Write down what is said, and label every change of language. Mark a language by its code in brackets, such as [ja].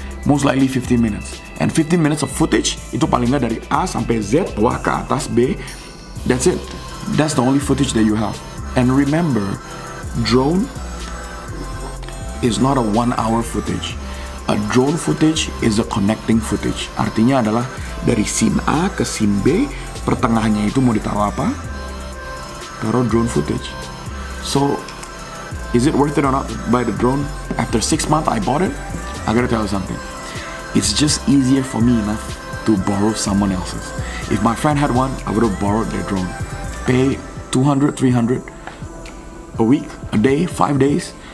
[en] Most likely 15 minutes. And 15 minutes of footage, [id] itu paling gak dari A sampai Z, wah ke atas B, [en] that's it. That's the only footage that you have. And remember, drone is not a 1 hour footage. A drone footage is a connecting footage. [id] Artinya adalah dari scene A ke scene B, pertengahannya itu mau ditaruh apa? Taruh [en] drone footage. So, is it worth it or not to buy the drone? After 6 months I bought it, I gotta tell you something. It's just easier for me enough to borrow someone else's. If my friend had one, I would have borrowed their drone. Pay 200, 300 a week, a day, 5 days.